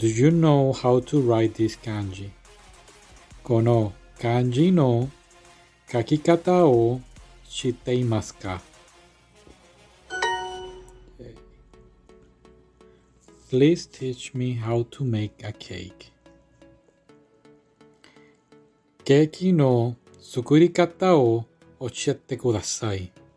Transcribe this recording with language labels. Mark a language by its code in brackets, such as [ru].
[ja] この漢字の書き方を知っていますか？ [en] Please teach me how to make a cake. [ja] ケーキの作り方を教えてください。